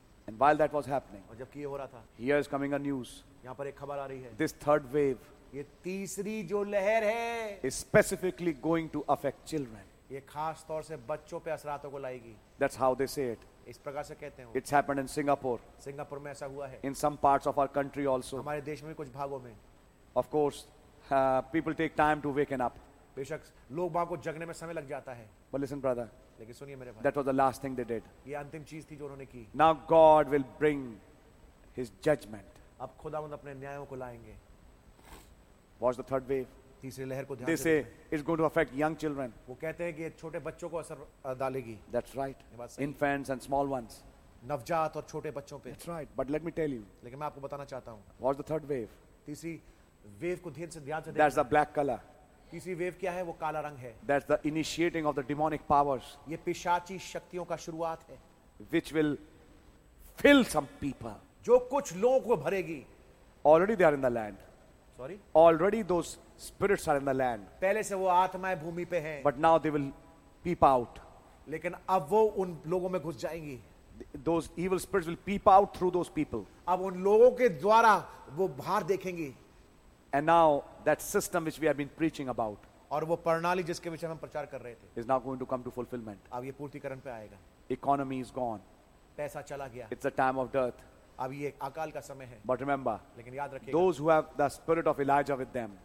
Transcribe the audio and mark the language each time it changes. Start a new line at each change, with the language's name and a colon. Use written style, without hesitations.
English: And while that was happening.
Hindi: और जबकि ये हो रहा था.
English: Here is coming a news.
Hindi: यहाँ पर एक खबर आ रही है.
English: This third wave.
Hindi: ये तीसरी जो लहर है.
English: Is specifically going to affect children.
Hindi: ये खास तौर से बच्चों पे असरातों को लाएगी.
English: That's how they say it.
Hindi: इस प्रकार से कहते हैं.
English: It's happened in Singapore.
Hindi: Singapore में ऐसा हुआ है.
English: In some parts of our country also.
Hindi: हमारे देश में कुछ भागों में.
English: Of course, people take time to waken up.
Hindi: बेशक लोग वहां को जगने में समय लग जाता है.
English: But listen, brother,
Hindi: लेकिन सुनिए मेरे भाई.
English: That was the last thing they did.
Hindi: ये अंतिम चीज थी जो उन्होंने की.
English: Now God will bring his judgment.
Hindi: अब खुदावंद अपने न्यायों को लाएंगे.
English: Watch the third wave.
Hindi: तीसरी लहर को ध्यान दें.
English: They say it's going to affect young children.
Hindi: वो कहते हैं कि छोटे बच्चों को असर डालेगी.
English: That's right. Infants and small ones.
Hindi: नवजात और छोटे बच्चों पे.
English: That's right. But let me tell you.
Hindi: लेकिन मैं आपको बताना चाहता हूँ.
English: Watch the third wave.
Hindi: तीसरी वेव को ध्यान से ध्यान से.
English: That's the black color.
Hindi: तीसरी वेव क्या है? वो काला रंग है.
English: That's the initiating of the demonic powers.
Hindi: ये पिशाची शक्तियों का शुरुआत है.
English: Which will fill some people.
Hindi: जो कुछ लोगों को भरेगी.
English: Already they are in the land. Sorry? Already those spirits are in the land.
Hindi: पहले से वो आत्माएं भूमि पे हैं.
English: But now they will peep out.
Hindi: लेकिन अब वो उन लोगों में घुस जाएंगी.
English: those evil spirits will peep out through those people.
Hindi: अब उन लोगों के द्वारा वो बाहर देखेंगे.
English: And now that system which we have been preaching about.
Hindi: और वो प्रणाली जिसके विषय में हम प्रचार कर रहे थे.
English: Is now going to come to fulfillment.
Hindi: अब ये पूर्तिकरण पे आएगा.
English: Economy is gone.
Hindi: पैसा चला गया.
English: It's a time of dearth.
Hindi: अब ये अकाल का समय है.
English: But remember,
Hindi: लेकिन याद रखिए,
English: those who have the spirit of Elijah with them,